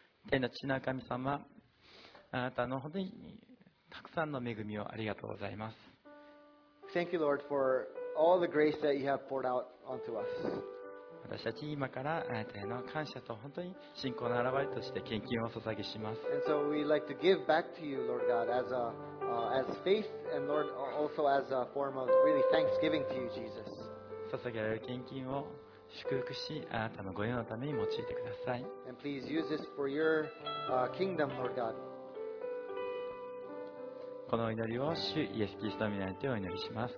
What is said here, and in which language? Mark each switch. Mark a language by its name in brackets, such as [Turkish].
[Japanese] 天の父なる神様、あなたの本当にたくさんの恵みをありがとうございます。 [English] Thank you, Lord, for all the grace that you have poured out onto us. [Japanese] 私たち今からあなたへの感謝と本当に信仰の表れとして献金を捧げします。 [English] And so we'd like to give back to you, Lord God, as faith and Lord also as a form of really thanksgiving to you, Jesus. [Japanese] 捧げられる献金を祝福し、あなたの御用のために用いてください。 [English] And please use this for your kingdom, Lord God. [Japanese] このお祈りを主イエスキリストの御名でお祈りします。